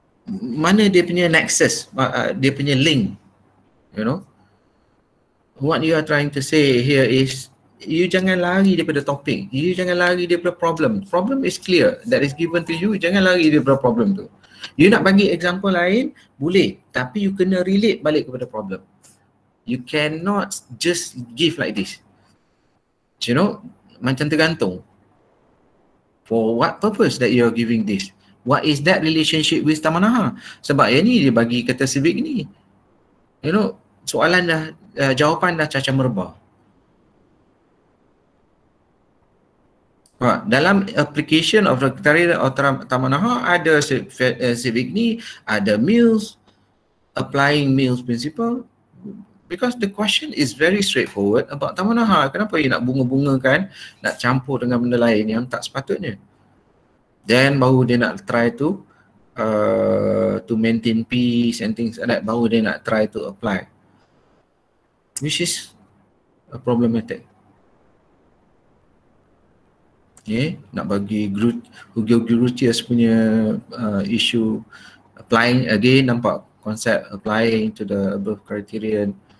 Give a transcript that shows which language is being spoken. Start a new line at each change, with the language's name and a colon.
Malay: Mana dia punya nexus, dia punya link,
English: you know? What you are trying to say here is, you
Malay: jangan lari daripada
English: topic. You
Malay: jangan lari daripada
English: problem. Problem is clear that is given to you.
Malay: Jangan lari daripada problem tu. You nak bagi example lain, boleh.
English: Tapi you
Malay: kena relate balik kepada
English: problem. You cannot just give like this. You know,
Malay: macam tergantung.
English: For what purpose that you are giving this? What is that relationship with Taman Nahar?
Malay: Sebab yang ni dia bagi kata Civic ni.
English: You know,
Malay: soalan dah, jawapan dah cacah merbah. Dalam application of Secretariat of Taman Nahar, ada Civic ni, ada Mills,
English: applying Mills principle. Because the question is very straightforward about Taman Nahar.
Malay: Kenapa you nak bunga-bungakan, nak campur dengan benda lain yang tak sepatutnya?
English: Then
Malay: baru dia nak
English: try to maintain peace and things like that.
Malay: Baru dia nak
English: try to apply, which is a problematic. Okay,
Malay: nak bagi
English: Hugo Grotius punya issue applying again,
Malay: nampak konsep
English: applying to the above criterion.